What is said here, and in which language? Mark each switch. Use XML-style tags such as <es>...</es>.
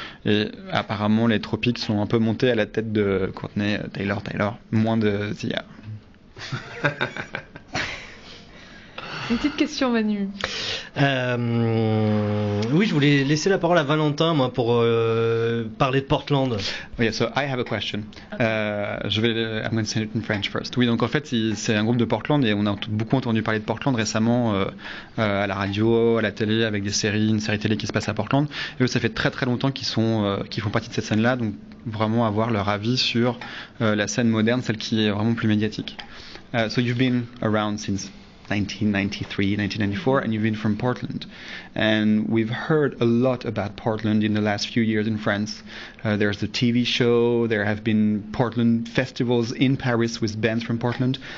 <fr>Et apparemment, les tropiques sont un peu montés à la tête de Courtney Taylor, moins de Zia. Une petite question, Manu. Oui, je voulais laisser la parole à Valentin, moi, pour parler de Portland. Oui,</fr> <en>yeah, so I have a question. I'm going to say it in French first.</en> <fr>Oui, donc en fait, c'est un groupe de Portland et on a beaucoup entendu parler de Portland récemment à la radio, à la télé, avec des séries, une série télé qui se passe à Portland. Et eux, ça fait très très longtemps qu'ils font partie de cette scène-là, donc vraiment avoir leur avis sur la scène moderne, celle qui est vraiment plus médiatique.</fr> <en>So you've been around since 1993, 1994, and you've been from Portland. And we've heard a lot about Portland in the last few years in France. There's a TV show, there have been Portland festivals in Paris with bands from Portland.</en>